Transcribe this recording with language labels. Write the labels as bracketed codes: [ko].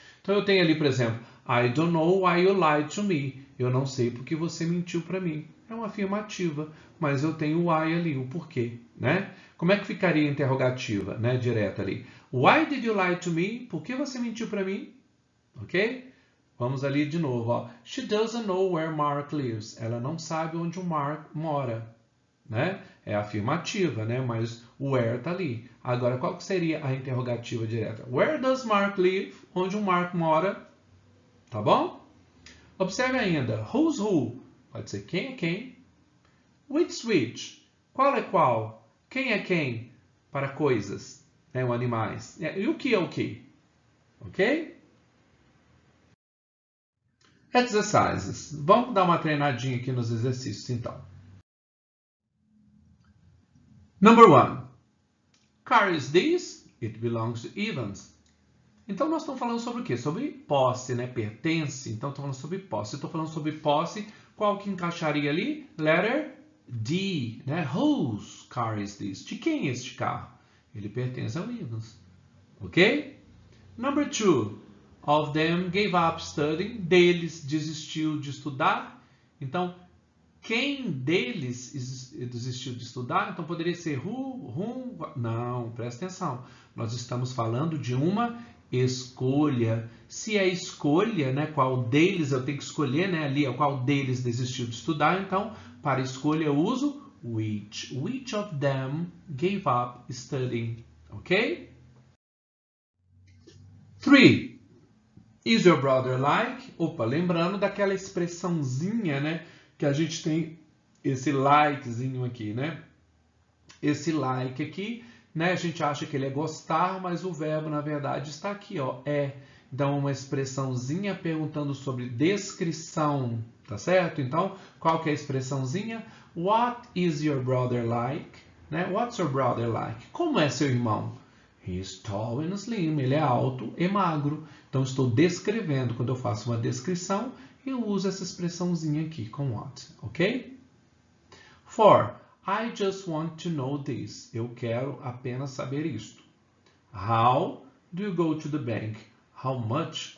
[pt] Então eu tenho ali, por exemplo, [en] I don't know why you lied to me. [pt] Eu não sei porque você mentiu para mim. É uma afirmativa, mas eu tenho o why ali, o porquê, né? Como é que ficaria a interrogativa, né, direta ali? [en] Why did you lie to me? [pt] Por que você mentiu para mim? Ok? Vamos ali de novo, ó. [en] She doesn't know where Mark lives. [pt] Ela não sabe onde o Mark mora. Né? É afirmativa, né? Mas o where está ali. Agora, qual que seria a interrogativa direta? [en] Where does Mark live? [pt] Onde o Mark mora? Tá bom? Observe ainda. [en] Who's who? [pt] Pode ser quem é quem. [en] Which? [pt] Qual é qual? Quem é quem? Para coisas, né? Ou animais. E o que é o que? Ok? [en] Exercises. [pt] Vamos dar uma treinadinha aqui nos exercícios, então. [en] Number one, car is this? It belongs to Evans. [pt] Então nós estamos falando sobre o quê? Sobre posse, né? Pertence. Então estamos falando sobre posse. Qual que encaixaria ali? Letter D, né? [en] Whose car is this? [pt] De quem é este carro? Ele pertence ao Evans. Ok? [en] Number two, of them gave up studying. [pt] Deles desistiu de estudar. Então quem deles desistiu de estudar? Então poderia ser who, whom? Não, presta atenção. Nós estamos falando de uma escolha. Se é escolha, né, qual deles eu tenho que escolher, né, ali, qual deles desistiu de estudar, então, para escolha, eu uso which. [en] Which of them gave up studying? Ok? 3. Is your brother like? [pt] Opa, lembrando daquela expressãozinha, né, que a gente tem esse likezinho aqui, né? Esse like aqui, né, a gente acha que ele é gostar, mas o verbo, na verdade, está aqui, ó, é. Então, uma expressãozinha perguntando sobre descrição, tá certo? Então, qual que é a expressãozinha? [en] What is your brother like? Né? What's your brother like? [pt] Como é seu irmão? [en] He's tall and slim. [pt] Ele é alto e magro. Então, estou descrevendo. Quando eu faço uma descrição, eu uso essa expressãozinha aqui com what, ok? 4. [en] I just want to know this. [pt] Eu quero apenas saber isto. [en] How do you go to the bank? How much?